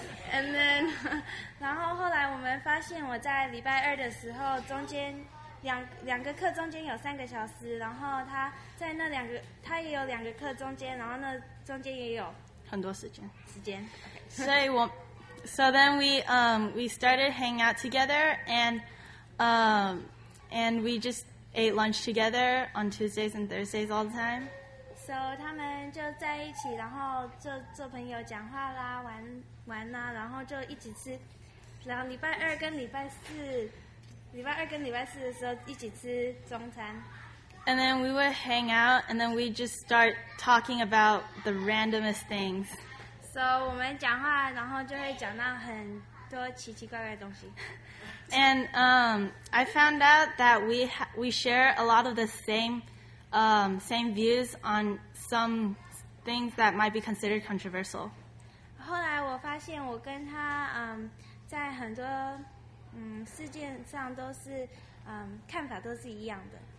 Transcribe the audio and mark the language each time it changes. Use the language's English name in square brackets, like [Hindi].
[English] And then [Chinese] 然后后来我们发现，我在礼拜二的时候，中间两个课中间有三个小时，然后他在那两个，他也有两个课中间，然后那中间也有很多时间。 [English] Okay. [Chinese] 所以我。 [English] So then we started hanging out together, and we just ate lunch together on Tuesdays and Thursdays all the time. [Chinese] So 他们就在一起，然后就做朋友、讲话啦、玩啦，然后就一起吃。然后礼拜二跟礼拜四的时候一起吃中餐。 [English] And then we would hang out, and then we just start talking about the randomest things. [Chinese] So, 我们讲话，然后就会讲到很多奇奇怪怪的东西。 [English] And I found out that we share a lot of the same views on some things that might be considered controversial. [Chinese] 后来我发现我跟他在很多事件上都是看法都是一样的。